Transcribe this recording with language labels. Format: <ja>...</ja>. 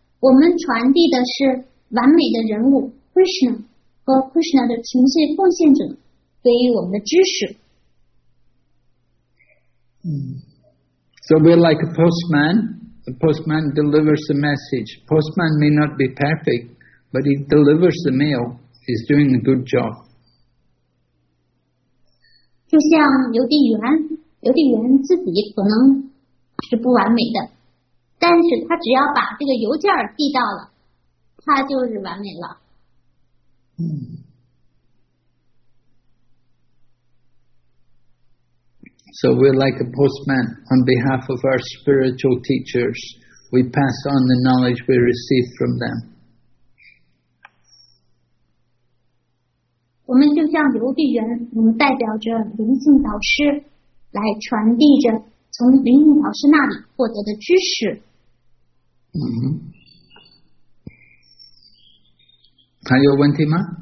<zh>我们传递的是完美的人物 Krishna 和 Krishna 的纯粹奉献者给予我们的知识。</zh> <en>So we're like a postman. A postman delivers a message. Postman may not be perfect, but he delivers the mail. He's doing a good job.</en> <zh>就像邮递员自己可能是不完美的，但是他只要把这个邮件递到了，他就是完美了。</zh> <en>So we're like a postman. On behalf of our spiritual teachers, we pass on the knowledge we receive from them.</en> <zh>我们就像邮递员，我们代表着灵性导师来传递着从灵性导师那里获得的知识。嗯，还有问题吗？</zh>